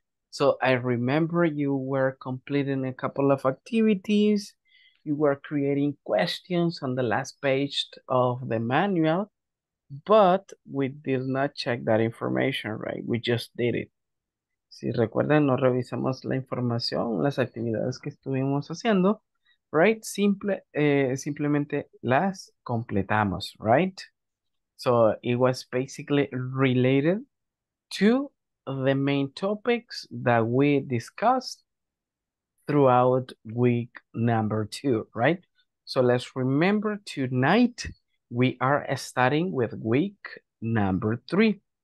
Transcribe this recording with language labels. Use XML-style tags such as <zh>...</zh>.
<en>So I remember you were completing a couple of activities. You were creating questions on the last page of the manual, but we did not check that information, right? We just did it.</en> <es>Si recuerdan, no revisamos la información, las actividades que estuvimos haciendo, right? Simplemente las completamos, right?</es> <en>So it was basically related to the main topics that we discussed throughout week number two, right? So let's remember, tonight we are starting with week number three.</en>